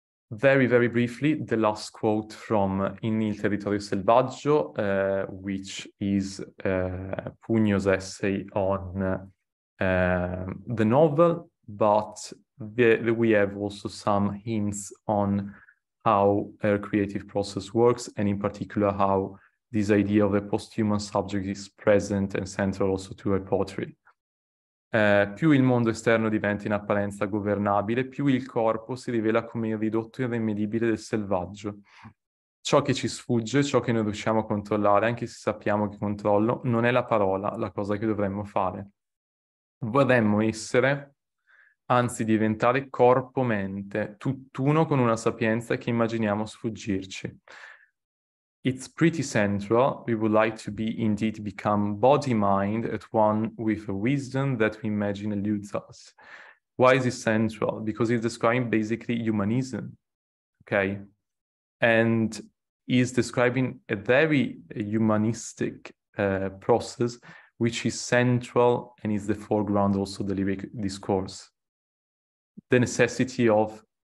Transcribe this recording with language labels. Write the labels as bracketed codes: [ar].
[en] Very, very briefly, the last quote from In il territorio selvaggio, which is Pugno's essay on the novel, but we have also some hints on how her creative process works, and in particular how this idea of a posthuman subject is present and central also to her poetry. [it] Più il mondo esterno diventa in apparenza governabile, più il corpo si rivela come il ridotto irremedibile del selvaggio. Ciò che ci sfugge, ciò che non riusciamo a controllare, anche se sappiamo che controllo, non è la parola, la cosa che dovremmo fare. Vorremmo essere, anzi diventare corpo-mente, tutt'uno con una sapienza che immaginiamo sfuggirci. [en] It's pretty central. We would like to be indeed become body-mind at one with a wisdom that we imagine eludes us. Why is it central? Because it's describing basically humanism, okay? And is describing a very humanistic process, which is central and is the foreground also the lyric discourse. The necessity of